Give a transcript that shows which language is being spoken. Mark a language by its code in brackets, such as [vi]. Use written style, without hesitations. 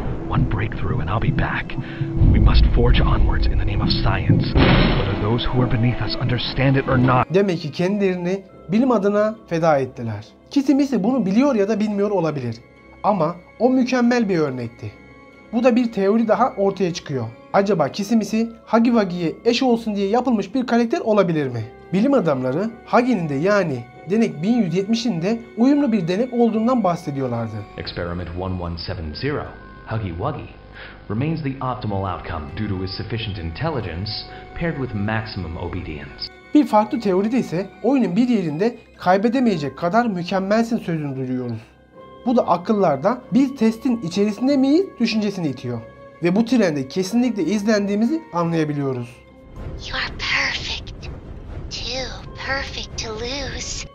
[en] One breakthrough and I'll be back. We must forge onwards in the name of science. Whether those who are beneath us understand it or not. [tr] Demek ki kendilerini bilim adına feda ettiler. Kisimisi bunu biliyor ya da bilmiyor olabilir. Ama o mükemmel bir örnekti. Bu da bir teori daha ortaya çıkıyor. Acaba Kisimisi Hagiwagi'ye eş olsun diye yapılmış bir karakter olabilir mi? Bilim adamları Hagi'nin de yani denek 1170'in de uyumlu bir denek olduğundan bahsediyorlardı. [en] Experiment 1170. Hagiwagi remains the optimal outcome due to his sufficient intelligence paired with maximum obedience. [tr] Bir farklı teoride ise oyunun bir yerinde kaybedemeyecek kadar mükemmelsin sözünü duyuyoruz. Bu da akıllarda biz testin içerisinde miyiz düşüncesini itiyor. Ve bu trende kesinlikle izlendiğimizi anlayabiliyoruz. [en] You are perfect. Too perfect to lose.